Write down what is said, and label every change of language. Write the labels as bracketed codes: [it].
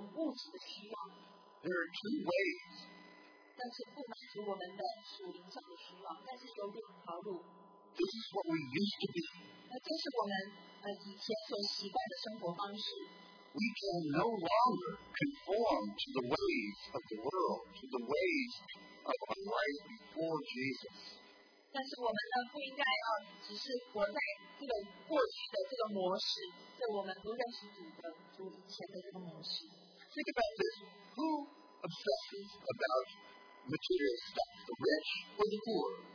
[zh] 因为这些呢，它只是能够满足我们肉体和我们物质的需要。 [en] There are two ways. [zh] 但是不满足我们的属灵上的需要，但是有两条路。 [en] This is what we used to be. [zh] 那这是我们以前所习惯的生活方式。 [en] We can no longer conform to the ways of the world, to the ways of a life before Jesus. [zh] 但是我们呢，不应该只是活在这个过去的这个模式，在我们不认识主的主以前的这个模式。 [en] Think about this: who obsesses about material stuff, the rich or the poor?